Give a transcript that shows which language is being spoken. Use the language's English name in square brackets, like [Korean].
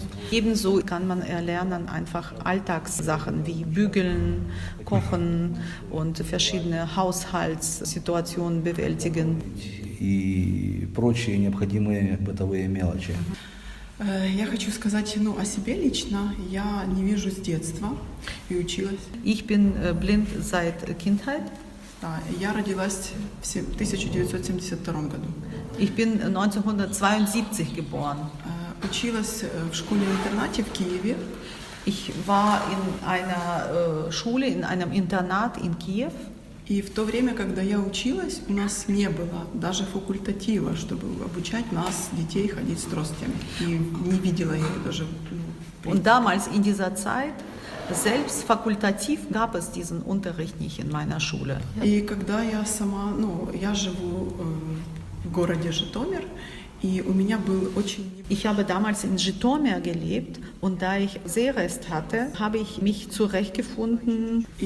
[German] Ebenso kann man erlernen einfach Alltagssachen wie bügeln, kochen und verschiedene Haushaltssituationen bewältigen. [Russian] И прочие необходимые бытовые мелочи. Я хочу сказать, ну, о себе лично. Я не вижу с детства и училась. [German] Ich bin blind seit Kindheit. [Russian] Да, я родилась в 1972 году. [German] Ich bin 1972 geboren. [Russian] Училась в школе-интернате в Киеве. [German] Ich war in einer Schule, in einem Internat in Kiew. [Russian] И в то время, когда я училась, у нас не было даже факультатива, чтобы обучать нас, детей, ходить с тростями. И не видела я даже. [German] Und damals in dieser Zeit selbst fakultativ gab es diesen Unterricht nicht in meiner Schule. [Russian] И когда я сама, ну, я живу в городе Житомир, и у меня был очень [German] Ich habe damals in Zhytomyr gelebt und da ich Sehrest hatte, habe ich mich zurechtgefunden.